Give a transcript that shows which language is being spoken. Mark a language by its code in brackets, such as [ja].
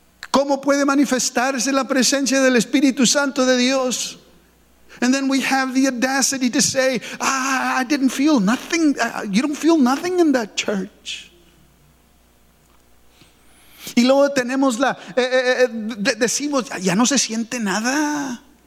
[es] ¿Cómo puede manifestarse la presencia del Espíritu Santo de Dios? [en] And then we have the audacity to say, I didn't feel nothing. You don't feel nothing in that church. [es] Y luego tenemos la, decimos, ya no se siente nada.